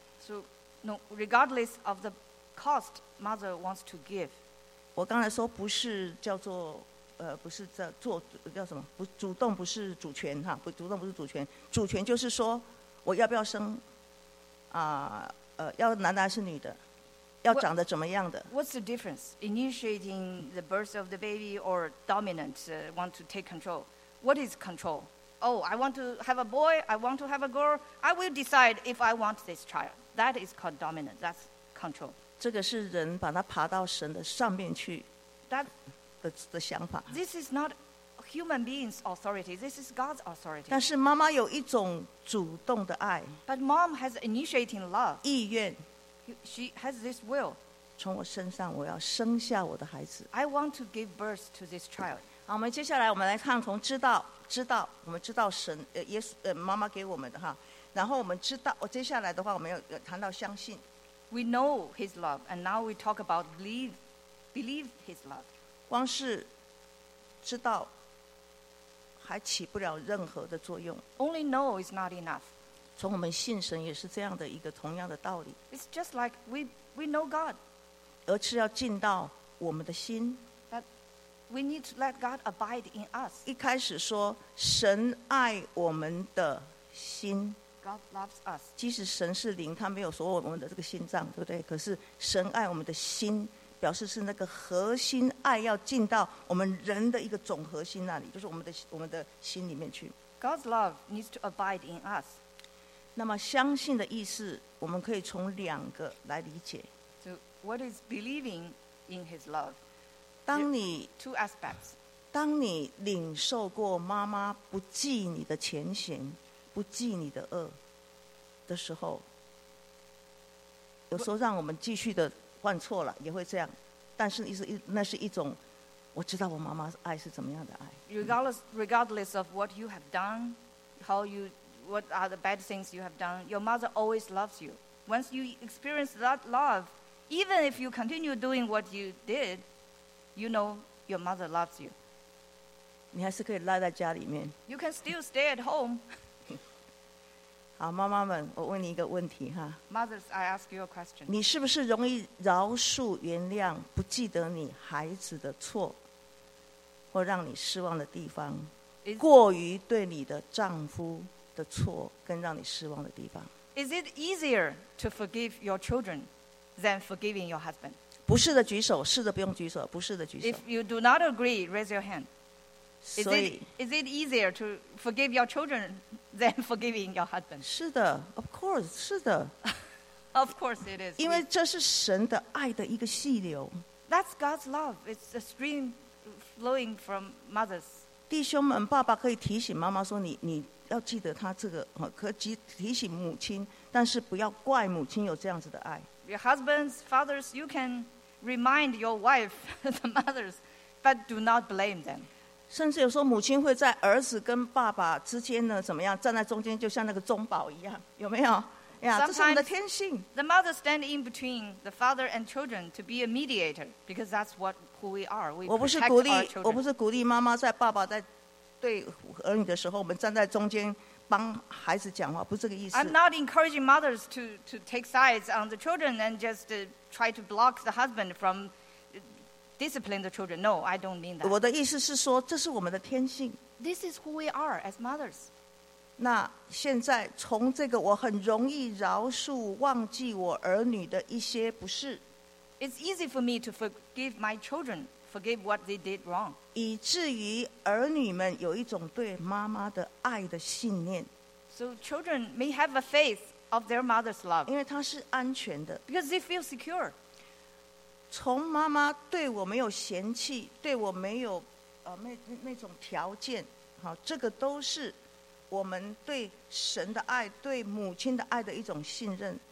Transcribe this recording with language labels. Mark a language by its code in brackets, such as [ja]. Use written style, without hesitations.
[en] So, no, regardless of the cost, mother wants to give. [zh] 我刚才说不是叫做不是在做叫什么？不主动不是主权哈，不主动不是主权，主权就是说我要不要生啊？要男的还是女的？要长得怎么样的 [en] ？What's the difference? Initiating the birth of the baby or dominant want to take control? What is control? Oh, I want to have a boy. I want to have a girl. I will decide if I want this child. That is called dominant. That's control. [zh] 这个是人把它爬到神的上面去。 [en] That [zh] 的想法。 [en] This is not human beings' authority. This is God's authority. [zh] 但是妈妈有一种主动的爱。 [en] But mom has initiating love. [zh] 意愿。 [en] She has this will. [zh] 从我身上，我要生下我的孩子。 [en] I want to give birth to this child. [zh] 好，我们接下来我们来看，从知道，我们知道神耶稣妈妈给我们的哈，然后我们知道，接下来的话我们要谈到相信。 [en] We know His love, and now we talk about believe His love. [zh] 光是知道还起不了任何的作用。 [en] Only know is not enough. [zh] 从我们信神也是这样的一个同样的道理。 [en] It's just like we know God. [zh] 而是要进到我们的心。 [en] But we need to let God abide in us. [zh] 一开始说神爱我们的心。 [en] God loves us. [zh] 即使神是灵，他没有说我们的这个心脏，对不对？可是神爱我们的心。表示是那个核心爱要进到我们人的一个总核心那里，就是我们的心里面去。 [en] God's love needs to abide in us. [zh] 那么相信的意思，我们可以从两个来理解。 [en] So what is believing in His love? [zh] 当你 [en] two aspects. [zh] 当你领受过妈妈不计你的前嫌、不计你的恶的时候，有时候让我们继续的。换错了也会这样，但是那是一种我知道我妈妈爱是怎么样的爱。 [en] Regardless of what you have done, what are the bad things you have done, your mother always loves you. Once you experience that love, even if you continue doing what you did, you know your mother loves you. [zh] 你还是可以赖在家里面。 [en] You can still stay at home. [zh] 好，妈妈们，我问你一个问题哈。 [en] Mothers, I ask you a question. [zh] 你是不是容易饶恕、原谅、不记得你孩子的错，或让你失望的地方，过于对你的丈夫的错跟让你失望的地方 [en] ？Is it easier to forgive your children than forgiving your husband? [zh] 不是的举手，是的不用举手，不是的举手。 [en] If you do not agree, raise your hand. Is it easier to forgive your children than forgiving your husband? [zh] 是的 ， [en] of course， [zh] 是的 [en] ，of course it is. [zh] 因为这是神的爱的一个细流。 [en] That's God's love. It's a stream flowing from mothers. [zh] 弟兄们，爸爸可以提醒妈妈说你要记得他这个，可以提醒母亲，但是不要怪母亲有这样子的爱。 [en] Your husbands, fathers, you can remind your wife, the mothers, but do not blame them. [zh] 甚至有时候母亲会在儿子跟爸爸之间呢怎么样站在中间就像那个中保一样有没有呀这是我们的天性 [en] The mother stand in between the father and children to be a mediator because that's what who we are we [zh] 我不是鼓励妈妈在爸爸在对儿女的时候我们站在中间帮孩子讲话不是这个意思 [en] I'm not encouraging mothers to take sides on the children and just try to block the husband from discipline the children. No, I don't mean that. [zh] 我的意思是说，这是我们的天性。 [en] This is who we are as mothers. [zh] 那现在从这个，我很容易饶恕、忘记我儿女的一些不是。 [en] It's easy for me to forgive my children, forgive what they did wrong. [zh] 以至于儿女们有一种对妈妈的爱的信念。 [en] So children may have a faith of their mother's love. [zh] 因为她是安全的。 [en] Because they feel secure. [zh] 从妈妈对我没有嫌弃，对我没有那种条件，好，这个都是我们对神的爱，对母亲的爱的一种信任。